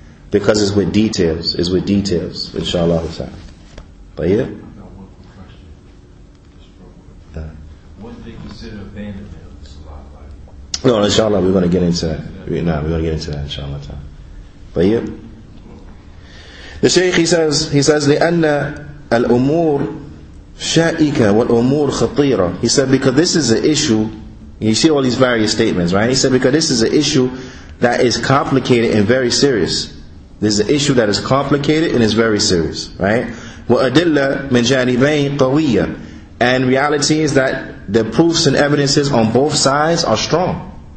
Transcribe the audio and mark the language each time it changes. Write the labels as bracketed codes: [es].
[en] Because it's with details. It's with details, inshallah ta'ala. But yeah? I've got one more question. Just real quick. What they consider abandonment of the salat? No, inshallah, we're going to get into that, inshallah ta'ala. But yeah? The Shaykh, he says, [ar] لِأَنَّ الأمور شائكة والأمور خطيرة. [en] He said, because this is an issue, you see all these various statements, right? He said, because this is an issue that is complicated and very serious. This is an issue that is complicated and is very serious, right? [ar] وأدلة من جانبين قوية. [en] And reality is that the proofs and evidences on both sides are strong.